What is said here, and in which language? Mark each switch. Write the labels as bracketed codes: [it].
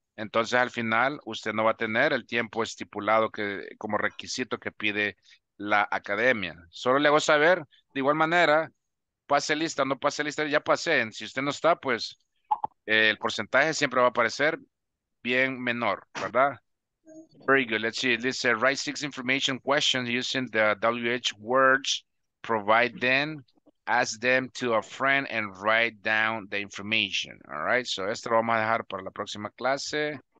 [es] Entonces, al final, usted no va a tener el tiempo estipulado que como requisito que pide la academia. Solo le hago saber, de igual manera, pase lista, no pase lista, ya pasé. Si usted no está, pues el porcentaje siempre va a aparecer bien menor, ¿verdad? [en] Very good. Let's see. Let's say, write six information questions using the WH words. Provide them, ask them to a friend, and write down the information. All right. [es] So, esto lo vamos a dejar para la próxima clase.